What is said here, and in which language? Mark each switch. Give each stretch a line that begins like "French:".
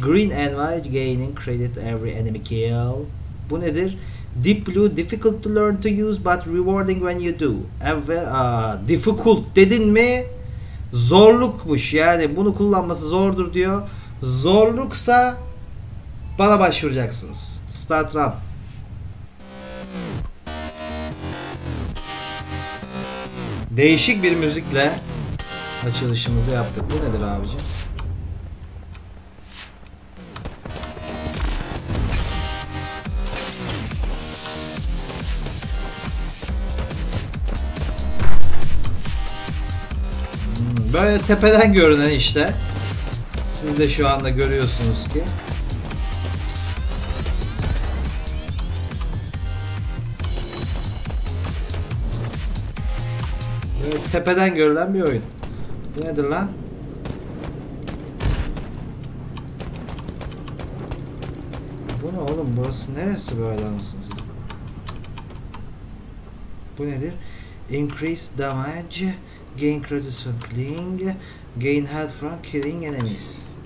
English: Green Envy gaining credit every enemy kill.
Turkish: Bu nedir?
English: Deep Blue difficult to learn to use but rewarding when you do.
Turkish: Difficult dedin mi? Zorlukmuş yani bunu kullanması zordur diyor. Zorluksa bana başvuracaksınız.
English: Start run.
Turkish: Değişik bir müzikle açılışımızı yaptık. Bu nedir abicim? Böyle tepeden görünen işte. Siz de şu anda görüyorsunuz ki. Böyle tepeden görülen bir oyun. Bu nedir lan? Bu ne oğlum? Burası neresi böyle anasını satayım? Bu nedir?
English: Increase damage. Gain credits from killing. Gain health from killing enemies.